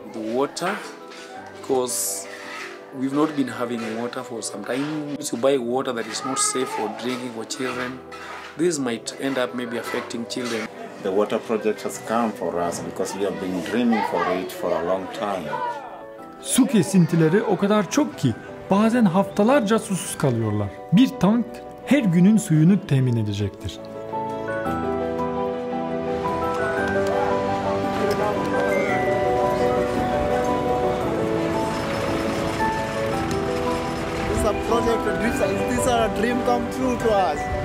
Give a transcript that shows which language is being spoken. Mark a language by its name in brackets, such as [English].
[English] The water, because we've not been having water for some time. To buy water that is not safe for drinking for children, this might end up maybe affecting children. The water project has come for us because we have been dreaming for it for a long time. [Turkish] Su kesintileri o kadar çok ki bazen haftalarca susuz kalıyorlar. Bir tank her günün suyunu temin edecektir. [English] This is a project, this is a dream come true to us.